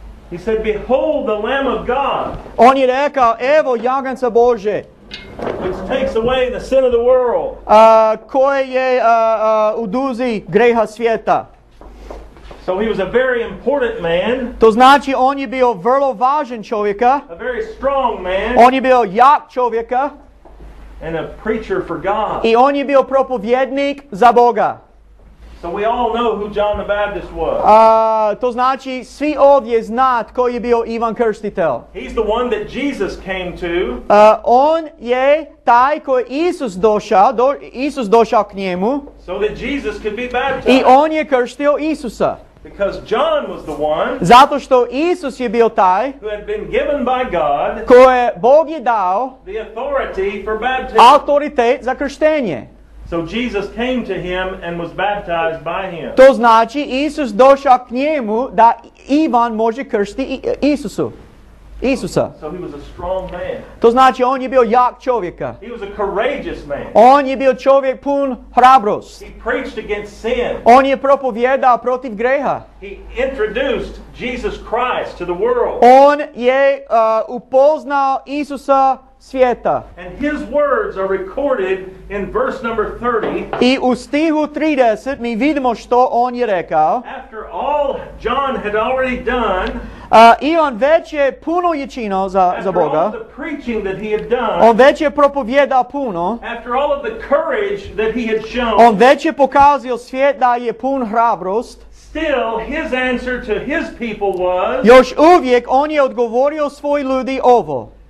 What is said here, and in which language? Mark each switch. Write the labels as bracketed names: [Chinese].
[English] He said, behold the Lamb of God. [Croatian] On je rekao, evo jaganca Bože. [English] Which takes away the sin of the world. [Croatian] Koje je uduzi greha svijeta. [English] So he was a very important man. [Croatian] To znači on je bio vrlo važan čovjeka. [English] A very strong man. [Croatian] On je bio jak čovjeka. [English] And a preacher for God. [Croatian] I on je bio propovjednik za Boga. [English] So we all know who John the Baptist was. [Croatian] To znači svi ovdje znat ko je bio Ivan Krstitelj. [English] He's the one that Jesus came to. [Croatian] On je taj koji Isus došao, Isus došao k njemu. [English] So that Jesus could be baptized. [Croatian] I on je krstio Isusa. [English] Because John was the one. [Croatian] Zato što Isus je bio taj. [English] Who had been given by God. [Croatian] Koje Bog je dao. [English] The authority for baptism. [Croatian] Autoritet za krštenje. [English] So Jesus came to him and was baptized by him. [Croatian] To znači Isus došao k njemu da Ivan može krstiti Isusu. Isusa. [English] So he was a strong man. [Croatian] To znači on je bio jak čovjeka. [English] He was a courageous man. [Croatian] On je bio čovjek pun hrabrost. [English] He preached against sin. [Croatian] On je propovjedao protiv greha. [English] He introduced Jesus Christ to the world. [Croatian] On je upoznao Isusa svijeta. [English] And his words are recorded in verse number 30. [Croatian] I u stihu 30 mi vidimo što on je rekao. [English] After all John had already done, [Croatian] I on već je puno je činio za Boga. [English] After all the preaching that he had done, [Croatian] on već je propovjedao puno. [English] After all of the courage that he had shown, [Croatian] on već je pokazio svijet da je pun hrabrost. [English] Still, his answer to his people was, [Croatian] još uvijek on je odgovorio svoj ljudi ovo.